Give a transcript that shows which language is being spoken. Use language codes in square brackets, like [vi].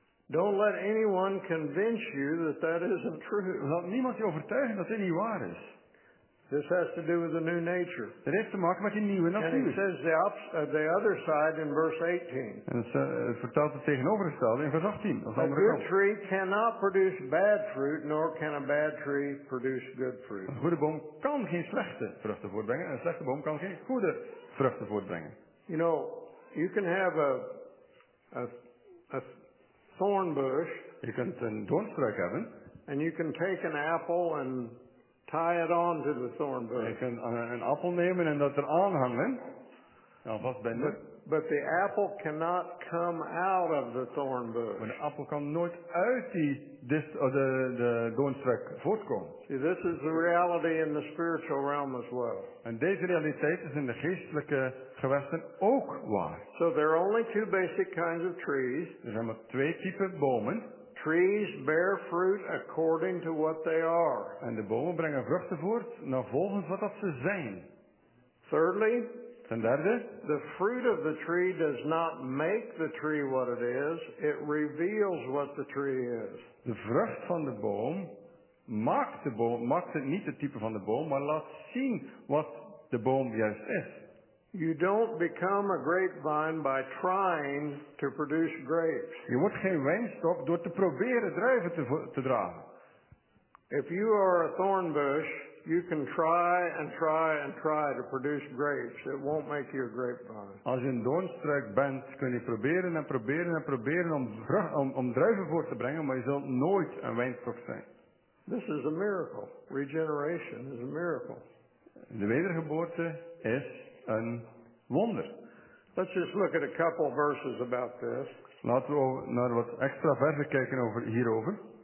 [en] Don't let anyone convince you that that isn't true. [nl] Laat niemand je overtuigen dat dit niet waar is. [en] This has to do with the new nature. [nl] Dit heeft te maken met die nieuwe natuur. [en] And it says the other side in verse 18. [nl] En het vertelt het tegenovergestelde in vers 18. [en] A good tree cannot produce bad fruit, nor can a bad tree produce good fruit. [nl] Een goede boom kan geen slechte vruchten voortbrengen, en een slechte boom kan geen goede vruchten voortbrengen. [en] You know, you can have a thorn bush. [nl] Je kunt een doornstruik hebben. [en] And you can take an apple and tie it on to the thorn bush. [nl] Je kunt een appel nemen en dat er aan hangen. Nou, vastbinden. [en] But the apple cannot come out of the thorn bush. [nl] Maar de appel kan nooit uit de doornstruik voortkomen. [en] See, this is the reality in the spiritual realm as well. [nl] En deze realiteit is in de geestelijke gewesten ook waar. [en] So there are only two basic kinds of trees. [nl] Er zijn maar twee typen bomen. [en] Trees bear fruit according to what they are. [nl] En de bomen brengen vruchten voort naar volgens wat dat ze zijn. [en] Thirdly, [nl] ten derde, [en] the fruit of the tree does not make the tree what it is. It reveals what the tree is. [nl] De vrucht van de boom maakt het niet het type van de boom, maar laat zien wat de boom juist is. [en] You don't become a grapevine by trying to produce grapes. [nl] Je wordt geen wijnstok door te proberen druiven te dragen. [en] If you are a thorn bush, you can try and try and try to produce grapes. It won't make you a grapevine. [nl] Als je een doornstruik bent, kun je proberen en proberen en proberen om druiven voort te brengen, maar je zult nooit een wijnstok zijn. [en] This is a miracle. Regeneration is a miracle. [nl] De wedergeboorte is een wonder. [en] Let's just look at a couple verses about this. [nl] Laten we naar wat extra versen kijken hierover.